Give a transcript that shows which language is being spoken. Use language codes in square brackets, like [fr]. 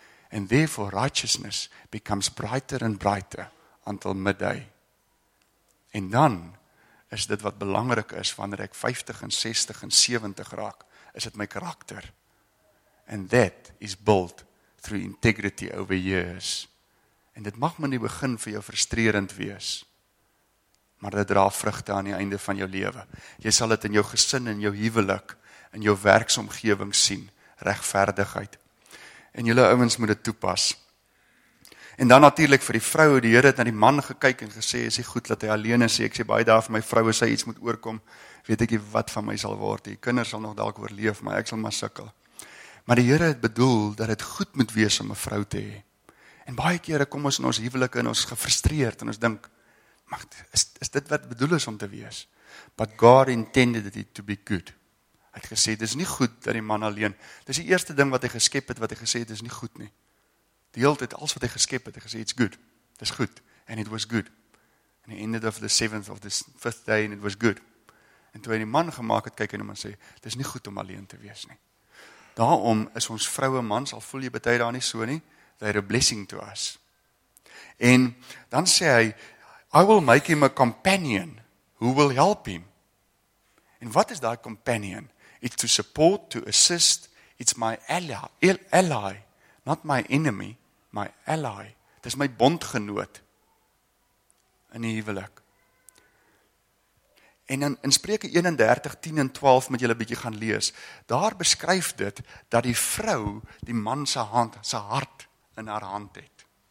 [en] And therefore righteousness becomes brighter and brighter until midday. [af] En dan is dit wat belangrik is, wanneer ek 50 en 60 en 70 raak, is dit my karakter. [en] And that is built through integrity over years. [af] En dit mag maar nie begin vir jou frustrerend wees, maar dit dra vrugte aan die einde van jou lewe. Jy sal dit in jou gesin, in jou huwelik, in jou werksomgewing sien, regverdigheid. En julle ouens moet dit toepas. En dan natuurlik vir die vrou, die Here het na die man gekyk en gesê, is hy goed dat hy alleen is, ek sê baie daar vir my vrou, as hy iets moet oorkom, weet ek nie wat van my sal word, die kinders sal nog dalk oorleef, maar ek sal maar sukkel. Maar die Here het bedoel, dat het goed moet wees om 'n vrou te hê. En baie kere kom ons in ons huwelike en ons gefrustreerd, en ons dink, maar is dit wat bedoel is om te wees? [en] But God intended it to be good. [af] Hy het gesê, dit is nie goed dat die man alleen, dit is die eerste ding wat hy geskep het, wat hy gesê, dit is nie goed nie. Die hele tijd, alles wat hy geskep het, hy gesê, [en] it's good, [af] dit is goed, [en] and it was good. And he ended of the seventh of the fifth day, and it was good. [af] En toe hy die man gemaakt het, kyk hy hom en sê, dit is nie goed om alleen te wees nie. Daarom is ons vroue mans, al voel jy betuig daar nie so nie, [en] they're a blessing to us. [af] En dan sê hy, [en] I will make him a companion who will help him. [af] En wat is daai companion? [en] It's to support, to assist, it's my ally, not my enemy, my ally. [af] Dit is my bondgenoot in die huwelik. En in Spreuke 31, 10 en 12 moet julle 'n bietjie gaan lees. Daar beskryf dit dat die vrou die man se hand, se hart in haar hand het.